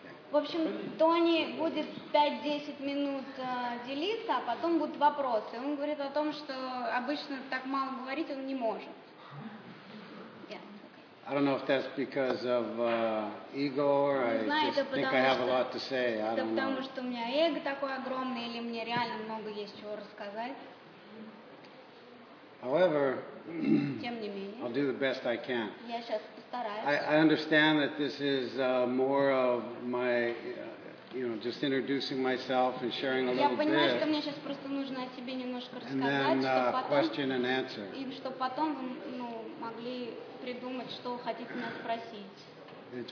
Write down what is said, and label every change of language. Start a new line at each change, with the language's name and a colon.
Russian: В общем, Тони будет 5-10 минут делиться, а потом будут вопросы. Он говорит о том, что обычно так мало говорить он не может.
English: I don't know if that's because of ego or I just think I have a lot to say. I don't know.
Russian: Потому что у меня эго такое огромное или мне реально много есть чего рассказать.
English: However,
Russian: тем не менее,
English: I'll do the best I can.
Russian: Я сейчас постараюсь.
English: I understand that this is more of my, just introducing myself and sharing a little bit.
Russian: Я понимаю, что мне сейчас просто нужно о себе немножко рассказать, чтобы потом вы могли придумать, что хотите меня спросить.